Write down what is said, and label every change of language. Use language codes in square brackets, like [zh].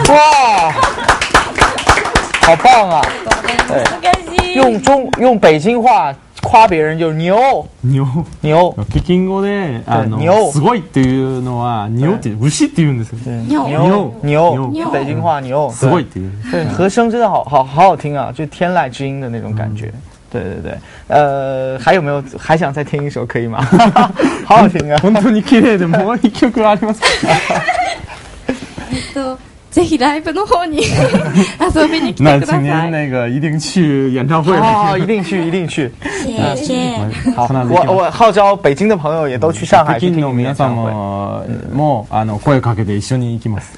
[zh] 哇，好棒啊，用北京话夸别人就牛牛牛。 [ja] 北京語で [zh] 牛 [ja] すごいっていうのは牛って牛って言うんですよ。 [zh] 牛北京话牛 [ja] すごいっていう。 [zh] 对，和声真的好听啊，就天籁之音的那种感觉。对对对，还有没有还想再听一首可以吗？好好听啊。 [ja] 本当に綺麗でもう一曲ありますか？ぜひライブの方に遊びに来てください。 [zh] 那今年那个一定去演唱会。啊，一定去，一定去。谢谢。好，我号召北京的朋友也都去上海去听演唱会。北京 [ja] 的皆さんも、あの声をかけて一緒に行きます。